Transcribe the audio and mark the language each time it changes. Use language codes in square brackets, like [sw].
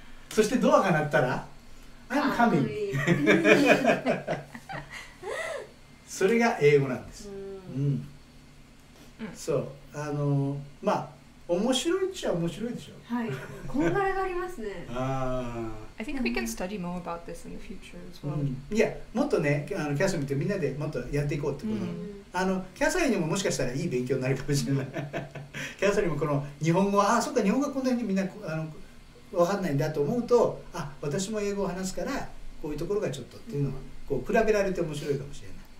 [ja] そしてドアが鳴ったら [en] I'm coming [ja] それが英語なんです。うん。うん、そう、まあ面白いっちゃ面白いでしょ。はい。こんがらがりますね。ああ。 [en] I think we can study more about this in the future as well.、 [ja] うん、いや、もっとね、キャサリン見てみんなでもっとやっていこうってこと。うん、キャサリンにももしかしたらいい勉強になるかもしれない。キャサリンもこの日本語、ああ、そうか、日本語こんなにみんな分かんないんだと思うと、あ、私も英語を話すからこういうところがちょっとっていうのは、うん、こう比べられて面白いかもしれない。